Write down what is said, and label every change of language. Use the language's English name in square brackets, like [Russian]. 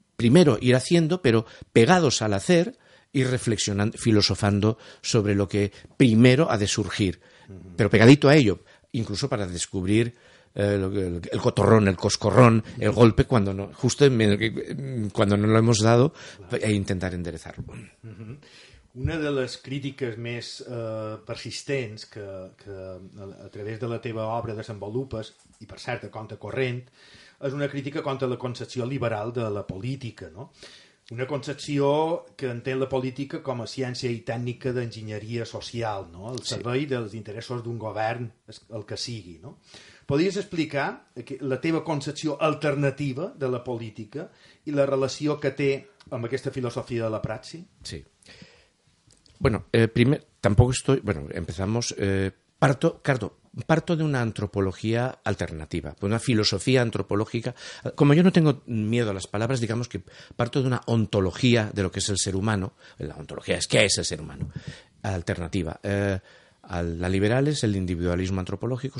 [Spanish] Primero ir haciendo, pero pegados al hacer y reflexionando, filosofando sobre lo que primero ha de surgir. Pero pegadito a ello, incluso para descubrir el cotorrón, el coscorrón, el golpe, cuando no, justo cuando no lo hemos dado, e intentar enderezarlo. [Catalan] Una de les crítiques més persistents que a través de la teva obra desenvolupes, i per cert, a contracorrent, és una crítica contra la concepció liberal de la política, no? Una concepció que entén la política com a ciència i tècnica d'enginyeria social, no? El servei dels interessos d'un govern, el que sigui, no? Podries explicar la teva concepció alternativa de la política i la relació que té amb aquesta filosofia de la praxi? Sí. [Spanish] Bueno, primer, tampoco estoy... Bueno, empezamos... Parto de una antropología alternativa, de una filosofía antropológica. Como yo no tengo miedo a las palabras, digamos que parto de una ontología de lo que es el ser humano. La ontología es qué es el ser humano. Alternativa. La liberal es el individualismo antropológico.